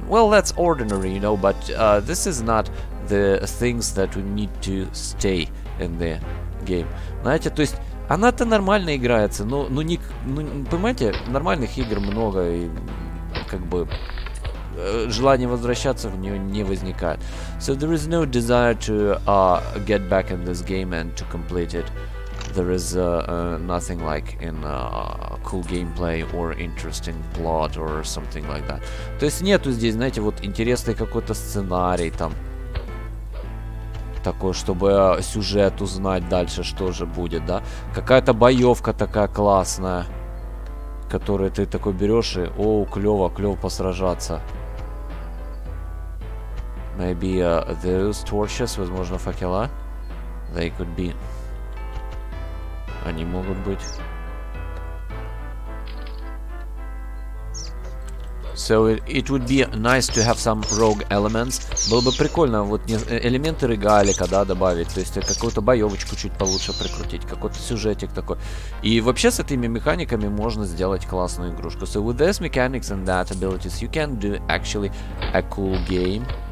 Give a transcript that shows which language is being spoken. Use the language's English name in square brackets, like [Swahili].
[English] Well, that's ordinary, you know, but this is not the things that we need to stay in the game. [Russian] Знаете, то есть она-то нормально играется, но понимаете, нормальных игр много и как бы желание возвращаться в нее не возникает. [English] So there is no desire to get back in this game and to complete it. There is nothing like in cool gameplay or interesting plot or something like that. [Russian] То есть нету здесь, знаете, вот интересный какой-то сценарий там такой, чтобы сюжет узнать дальше, что же будет, да? Какая-то боевка такая классная, которую ты такой берешь и, о, клево, клево посражаться. [English] Maybe those torches, [Russian] возможно, факела, [English] they could be. [Russian] Они могут быть. [English] So it would be nice to have some rogue elements. [Russian] Было бы прикольно вот элементы регалика, да, добавить. То есть какую-то боевочку чуть получше прикрутить. Какой-то сюжетик такой. И вообще с этими механиками можно сделать классную игрушку. [English] So with these mechanics and that abilities you can do actually a cool game.